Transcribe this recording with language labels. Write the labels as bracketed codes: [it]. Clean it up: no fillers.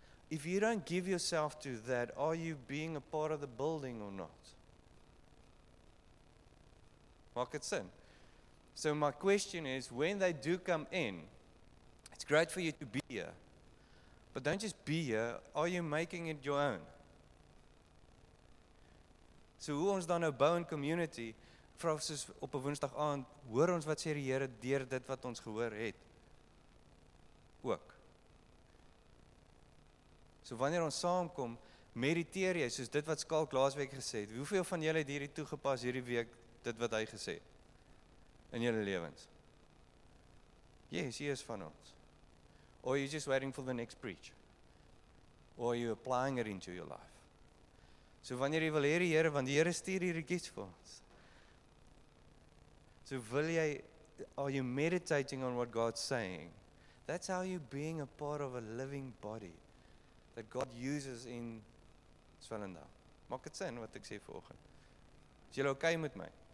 [en] If you don't give yourself to that, are you being a part of the building or not? [af] Maak het sin? [en] So my question is, when they do come in, it's great for you to be here, but don't just be here, are you making it your own? [af] So hoe ons dan nou bou in community, vra soos op 'n Woensdag aand, hoor ons wat sê die Here deur dit wat ons gehoor het. Ook. So wanneer ons saamkom, mediteer jy soos dit wat Skalk laasweek gesê het. Hoeveel van julle het hierdie toegepas hierdie week dit wat hy gesê het in julle lewens? Yes, hier is van ons. [en] Or you just waiting for the next preach? Or are you applying it into your life? [af] So wanneer jy wil hê die Here, want die Here stuur hierdie gifts vir ons. So wil jy, [en] are you meditating on what God's saying? That's how you being a part of a living body that God uses in Swellendo. [af] Maak dit sin wat ek sê vanoggend? Is julle okay met my?